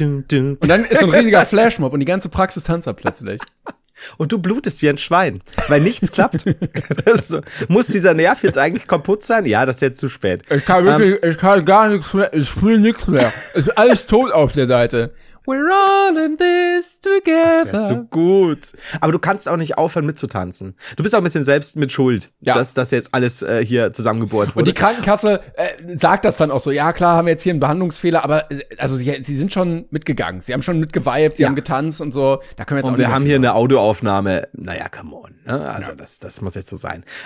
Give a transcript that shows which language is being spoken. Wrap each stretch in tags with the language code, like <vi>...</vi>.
<de>Und dann ist so ein riesiger Flashmob und die ganze Praxis tanzt dann plötzlich. Und du blutest wie ein Schwein, weil nichts klappt. So. Muss dieser Nerv jetzt eigentlich kaputt sein? Ja, das ist jetzt zu spät. Ich kann wirklich, ich kann gar nichts mehr, ich fühle nichts mehr. Es ist alles tot auf der Seite.</de> <en>We're all in this together.</en> <de>Das wäre so gut. Aber du kannst auch nicht aufhören mitzutanzen. Du bist auch ein bisschen selbst mit Schuld, dass das jetzt alles hier zusammengebohrt wurde. Und die Krankenkasse sagt das dann auch so. Ja, klar, haben wir jetzt hier einen Behandlungsfehler, aber also sie sind schon mitgegangen. Sie haben schon mitgeviped, sie haben getanzt und so. Da können wir jetzt und auch wir haben hier eine Audioaufnahme. Naja,</de> <en>come on.</en> <de>Ne? Also das muss jetzt so sein.</de>